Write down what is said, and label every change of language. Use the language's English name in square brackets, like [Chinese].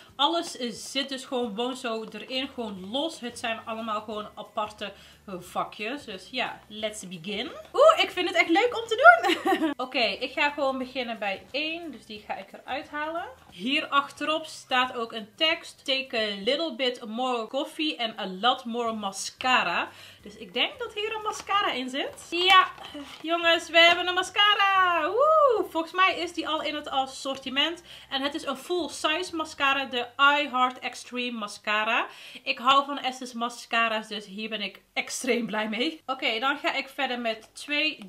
[Dutch] Alles zit dus gewoon zo erin. Gewoon los. Het zijn allemaal gewoon aparte vakjes. Dus ja, [English] let's begin. [Dutch] Oeh, ik vind het echt leuk om te doen. Oké, ik ga gewoon beginnen bij 1. Dus die ga ik eruit halen. Hier achterop staat ook een tekst. [English] Take a little bit more coffee and a lot more mascara. [Dutch] Dus ik denk dat hier een mascara in zit. Ja, jongens, we hebben een mascara. Woe! Volgens mij is die al in het assortiment. En het is een full size mascara. De I Heart Extreme mascara. Ik hou van Essence mascara's. Dus hier ben ik extreem blij mee. Oké, dan ga ik verder met 2.